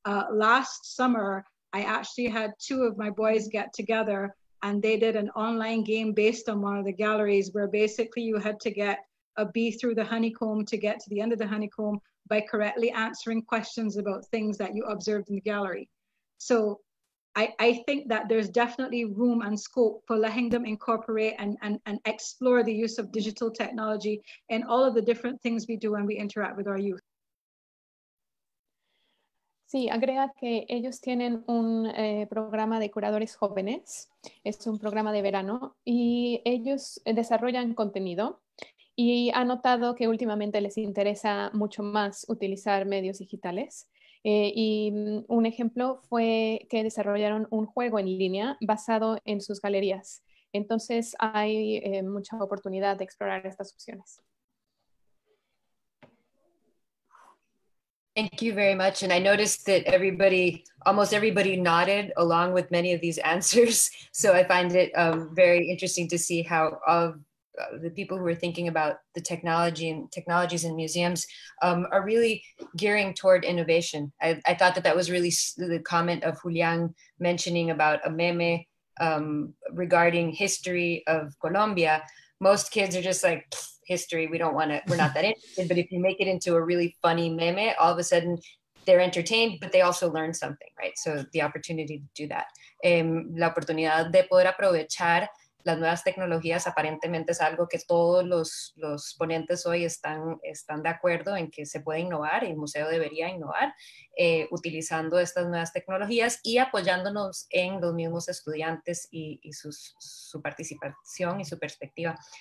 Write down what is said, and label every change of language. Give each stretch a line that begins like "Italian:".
English: Last summer, I actually had two of my boys get together and they did an online game based on one of the galleries where basically you had to get a bee through the honeycomb to get to the end of the honeycomb by correctly answering questions about things that you observed in the gallery. So I think that there's definitely room and scope for letting them incorporate and explore the use of digital technology in all of the different things we do when we interact with our youth.
Spanish: Sí, agrega que ellos tienen un programa de curadores jóvenes, es un programa de verano, y ellos desarrollan contenido y ha notado que últimamente les interesa mucho más utilizar medios digitales. Y un ejemplo fue que desarrollaron un juego en línea basado en sus galerías. Entonces hay mucha oportunidad de explorar estas opciones.
English: Thank you very much. And I noticed that everybody, almost everybody nodded along with many of these answers. So I find it very interesting to see how all of the people who are thinking about the technology and technologies in museums are really gearing toward innovation. I thought that that was really the comment of Julián mentioning about a meme regarding history of Colombia. Most kids are just like, history, we don't want to, we're not that interested, but if you make it into a really funny meme, all of a sudden they're entertained, but they also learn something, right? So the opportunity to do that.
Spanish: La oportunidad de poder aprovechar las nuevas tecnologías aparentemente es algo que todos los ponentes hoy están de acuerdo en que se puede innovar, el museo debería innovar utilizando estas nuevas tecnologías y apoyándonos en los mismos estudiantes y su participación y su perspectiva.